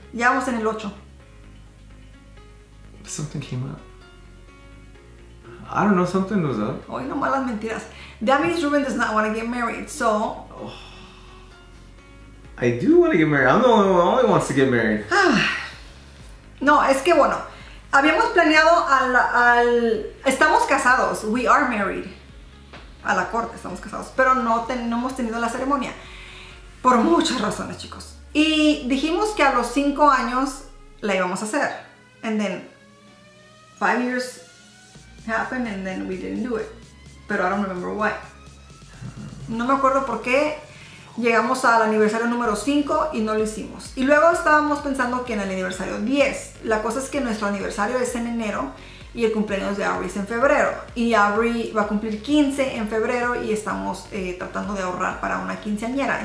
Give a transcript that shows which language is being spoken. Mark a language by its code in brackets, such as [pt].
[es] Ya vamos en el 8. [en] Something came up. I don't know, something was up. [es] Oye, no malas mentiras. [en] That means Ruben does not want to get married, so... Oh. I do want to get married. I'm the only one who wants to get married. [es] No, es que bueno, habíamos planeado al estamos casados. [en] We are married. [es] A la corte estamos casados, pero no hemos tenido la ceremonia por muchas razones, chicos. Y dijimos que a los 5 años la íbamos a hacer. [en] And then 5 years happened and then we didn't do it. [es] Pero [en] I don't remember why. [es] No me acuerdo por qué. Llegamos al aniversario número 5 y no lo hicimos. Y luego estábamos pensando que en el aniversario 10. La cosa es que nuestro aniversario es en enero y el cumpleaños de Aubrey es en febrero. Y Aubrey va a cumplir 15 en febrero y estamos tratando de ahorrar para una quinceañera.